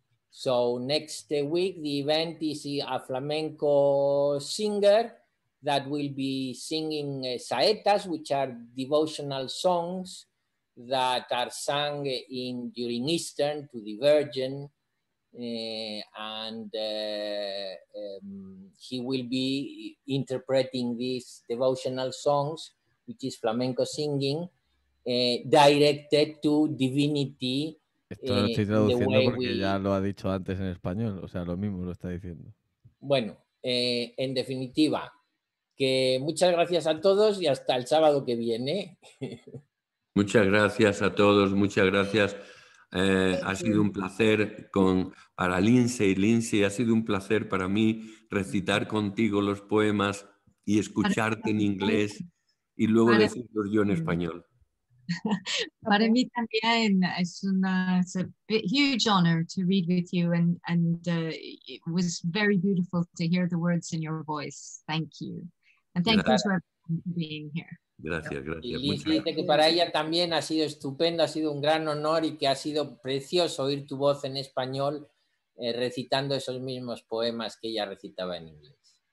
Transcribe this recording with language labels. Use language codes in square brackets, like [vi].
[en] So next week the event is a flamenco singer that will be singing saetas, which are devotional songs that are sung in during Easter to the Virgin, he will be interpreting these devotional songs, which is flamenco singing, directed to divinity. [es] Esto lo estoy traduciendo porque ya lo ha dicho antes en español, o sea, lo mismo lo está diciendo. Bueno, en definitiva, que muchas gracias a todos y hasta el sábado que viene. Muchas gracias a todos, muchas gracias. Ha sido un placer para Lindsay. Lindsay, ha sido un placer para mí recitar contigo los poemas y escucharte en inglés y luego decirlos yo en español. Para mí también es [en] it's a huge honor to read with you, and it was very beautiful to hear the words in your voice. Thank you, and thank you to everyone for being here. [es] Gracias, gracias. Y Lindsay dice que para ella también ha sido estupendo, ha sido un gran honor y que ha sido precioso oír tu voz en español recitando esos mismos poemas que ella recitaba en inglés.